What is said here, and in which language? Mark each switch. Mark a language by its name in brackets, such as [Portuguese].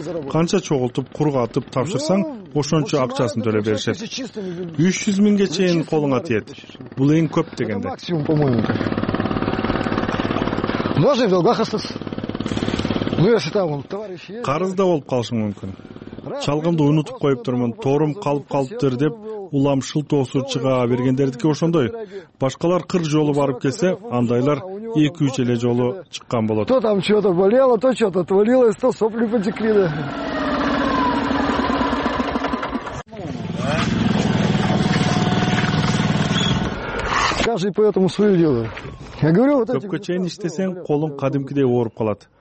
[Kyrgyz] Канча чогултуп, кургатып тапшырсаң, ошончо акчасын төлөп беришет. 300 миңге чейин колуңа тиет. Бул эң көп дегенде. [Russian] Максимум, по-моему. Можно и в долгах остаться. Ну, если там, товарищ есть. [Kyrgyz] Карызда болуп калышың мүмкүн. Чалгымды унутуп коюптурмун, торум калып калыптыр деп улам шылтоосу чыга бергендердики ошондой. Башкалар 40 жолу барып келсе, андайлар 2-3 эле жолу чыккан болот. [Russian] То там что-то болело, то что-то отвалилось, то сопли потекли. Каждый по этому свое дело. Я говорю, вот эти. [Kyrgyz] Көпкө чейин иштесең, колуң кадимкидей ооруп калат.